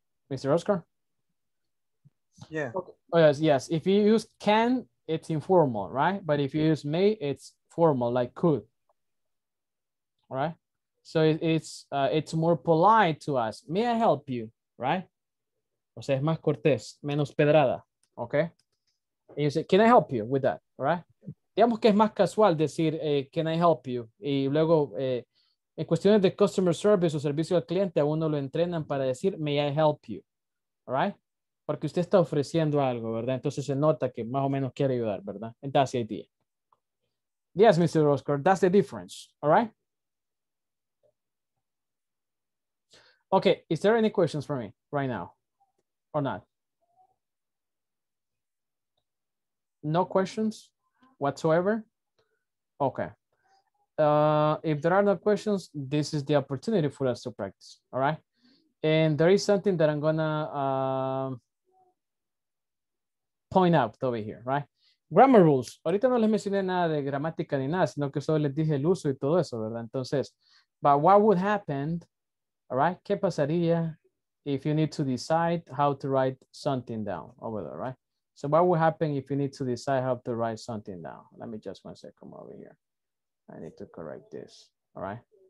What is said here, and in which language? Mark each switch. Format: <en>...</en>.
<en>Mr. Oscar? Yeah. Okay. Oh, yes. If you use can, it's informal, right? But if you use may, it's formal, like could. All right? So it's more polite to ask, may I help you, right?</en> <es>O sea, es más cortés, menos pedrada, okay?</es> <en>And you say, can I help you with that, all right?</en> <es>Digamos que es más casual decir,</es> <en>can I help you?</en> <es>Y luego, en cuestiones de customer service o servicio al cliente, a uno lo entrenan para decir,</es> <en>may I help you, all right?</en> <es>Porque usted está ofreciendo algo, ¿verdad? Entonces se nota que más o menos quiere ayudar, ¿verdad?</es> <en>And that's the idea. Yes, Mr. Oscar, that's the difference, all right? Okay, is there any questions for me right now? Or not? No questions whatsoever? Okay. If there are no questions, this is the opportunity for us to practice. All right. And there is something that I'm going to point out over here, right? Grammar rules.</en> <es>Ahorita no les mencioné nada de gramática ni nada, sino que solo les dije el uso y todo eso, ¿verdad?</es> <en>Entonces, but what would happen? All right.</en> <es>¿Qué pasaría?</es> <en>If you need to decide how to write something down over there, right? So what will happen if you need to decide how to write something down? Let me just one second over here. I need to correct this, all right?</en>